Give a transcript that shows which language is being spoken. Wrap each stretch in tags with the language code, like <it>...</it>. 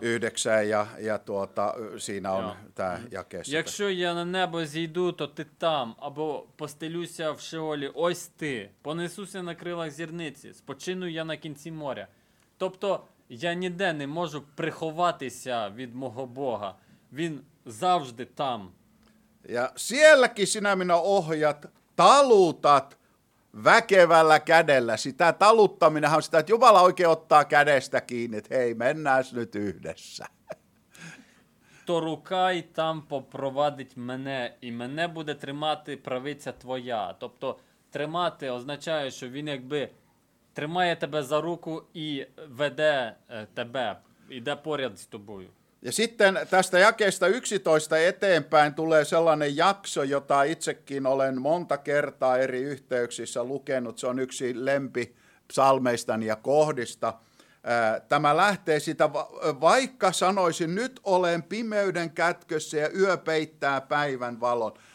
<fi>9 ja tuota, siinä on tää jakeessa.</fi> <uk>Якщо я на небо зійду, то ти там, або постелюся в Шеолі, ось ти, понесуся на крилах зірниці, спочину я на кінці моря. Тобто я ніде не можу приховатися від мого Бога. Він завжди там.</uk> <fi>Ja sielläkin sinä minä ohjat, talutat, väkevällä kädellä, sitä taluttaminen on sitä, että Jumala oikein ottaa kädestä kiinni, että hei, mennään nyt yhdessä.</fi> <uk>То рука й там попровадить мене, і мене буде тримати правиця твоя. Тобто тримати означає, що він якби тримає тебе за руку і веде тебе, іде поряд з тобою.</uk> <fi>Ja sitten tästä jakeesta 11 eteenpäin tulee sellainen jakso, jota itsekin olen monta kertaa eri yhteyksissä lukenut. Se on yksi lempi psalmeistani ja kohdista. Tämä lähtee siitä, vaikka sanoisin, nyt olen pimeyden kätkössä ja yö peittää päivän valon.</fi>